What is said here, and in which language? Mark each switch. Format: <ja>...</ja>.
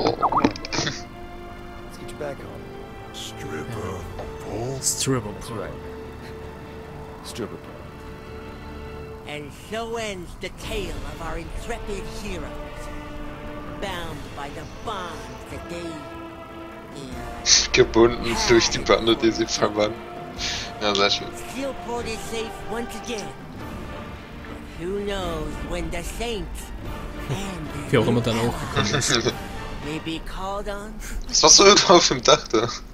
<en>Let's get you back home. Stripper pole? Stripper pole. Right. Stripper pole. And so ends the tale of our intrepid heroes, bound by the bond that they</en> <de>gebunden durch die Bande, die sie verband. Ja, sehr schön.</de> <en>Steelport is safe once again. Who knows when the Saints</en> <de>and the wie auch immer dann auch gekommen</de> <en>ist. Called on.</en> <de>Was machst du irgendwo auf dem Dach da?</de>